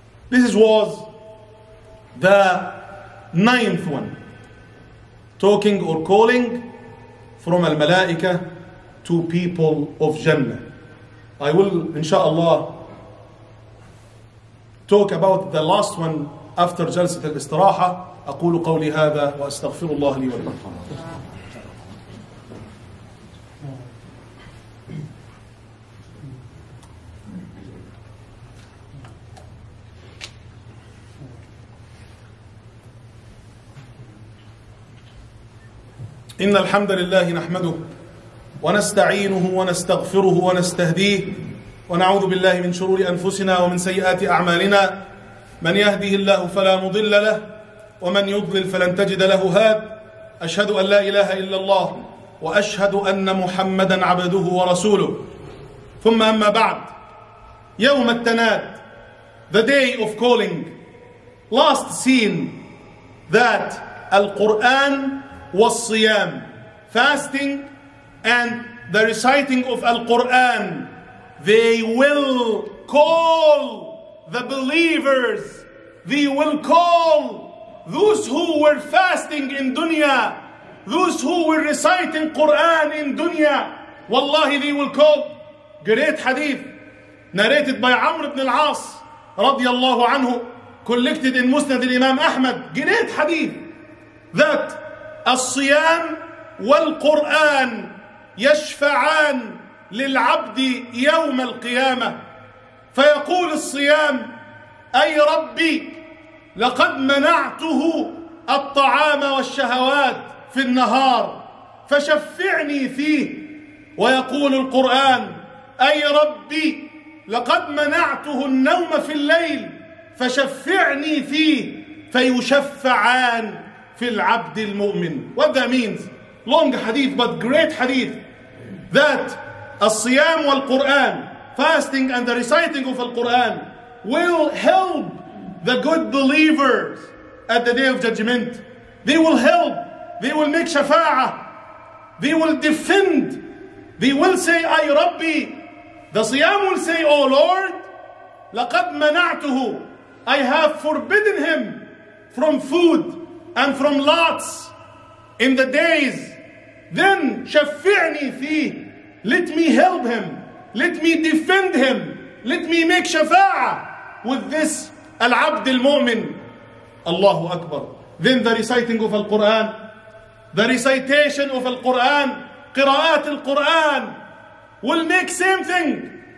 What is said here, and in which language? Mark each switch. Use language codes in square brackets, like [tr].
[en] This was the ninth one. Talking or calling from al-malaika to people of Jannah. I will, inshaAllah, talk about the last one after [ar] جلسة الاستراحة. أقول قولي هذا وأستغفر الله لي ولكم. إن الحمد لله نحمده ونستعينه ونستغفره ونستهديه ونعوذ بالله من شرور أنفسنا ومن سيئات أعمالنا. من يهده الله فلا مضل له ومن يضلل فلن تجد له هاد. أشهد أن لا إله إلا الله وأشهد أن محمدا عبده ورسوله. ثم أما بعد, يوم التناد, [en] the day of calling, last scene, that [ar] القرآن والصيام, [en] fasting and the reciting of القرآن, they will call the believers, they will call those who were fasting in dunya, those who were reciting Quran in dunya, wallahi they will call. Great hadith narrated by Amr ibn al-As radiallahu anhu, collected in Musnad al-Imam Ahmad. Great hadith that [ar] as-siyam wal-Quran yashfa'an للعبد يوم القيامة. فيقول الصيام, أي ربي لقد منعته الطعام والشهوات في النهار فشفعني فيه. ويقول القرآن, أي ربي لقد منعته النوم في الليل فشفعني فيه. فيشفعان في العبد المؤمن. [en] What that means, long hadith but great hadith, that [ar] الصيام والقرآن, [en] fasting and the reciting of Al-Quran will help the good believers at the Day of Judgment. They will help. They will make shafa'ah. They will defend. They will say, [ar] Ay Rabbi. [en] The Siyam will say, Oh Lord, [ar] لَقَدْ مَنَعْتُهُ. [en] I have forbidden him from food and from lots in the days. [ar] Then شَفِّعْنِي فِيهِ. [en] Let me help him. Let me defend him. Let me make shafa'ah with this [ar] Al-Abd al-Mu'min. [en] Allahu Akbar. Then the reciting of Al-Quran, the recitation of Al-Quran, Qira'at Al-Quran, will make same thing.